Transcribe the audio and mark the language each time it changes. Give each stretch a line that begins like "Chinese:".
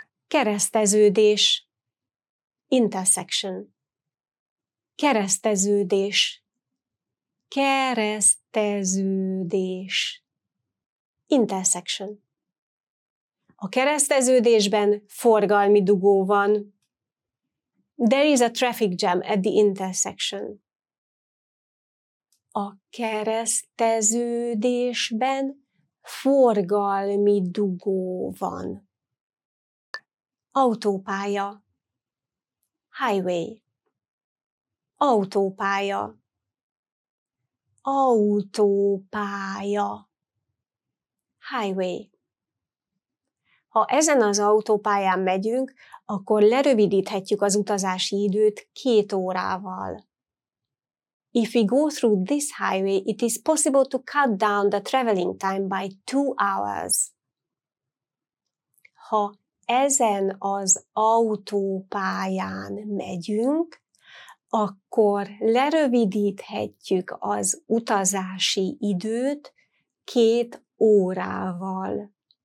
Hungarian: Kereszteződés. Intersection. Kereszteződés. Kereszteződés. Intersection. A kereszteződésben forgalmi dugó van.
English: There is a traffic jam at the intersection.
Hungarian: A kereszteződésben forgalmi dugó van. Autópálya. Highway. Autópálya. Autópálya. Highway. Ha ezen az autópályán megyünk, akkor lerövidíthetjük az utazási időt 2 órával.
English: If we go through this highway, it is possible to cut down the traveling time by 2 hours.
Hungarian: Ha ezen az autópályán megyünk, akkor lerövidíthetjük az utazási időt 2 órával.